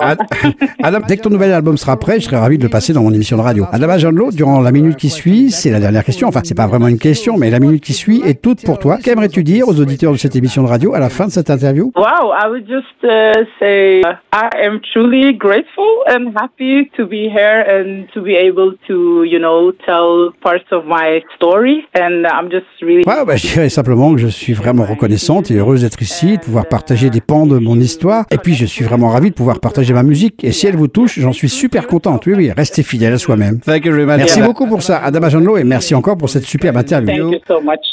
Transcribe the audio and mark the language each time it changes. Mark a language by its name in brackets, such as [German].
[French] Adam, dès que ton nouvel album sera prêt, je serai ravi de le passer dans mon émission de radio. Adam Agenlo, durant la minute qui suit, c'est la dernière question. Enfin, c'est pas vraiment une question, mais la minute qui suit est toute pour toi. Qu'aimerais-tu dire aux auditeurs de cette émission de radio à la fin de cette interview? [English] Wow, I would just say I am truly grateful and happy to be here and to be able to, you know, tell parts of my story. And I'm just really. [French] Ouais, bah, je dirais simplement que je suis vraiment reconnaissant. Et heureuse d'être ici, de pouvoir partager des pans de mon histoire. Et puis, je suis vraiment ravi de pouvoir partager ma musique. Et si elle vous touche, j'en suis super contente. Oui, oui, restez fidèle à soi-même. [English] Thank you very much. [French] Merci beaucoup pour ça, Adam Agenlo, et merci encore pour cette superbe interview. [English] Thank you so much.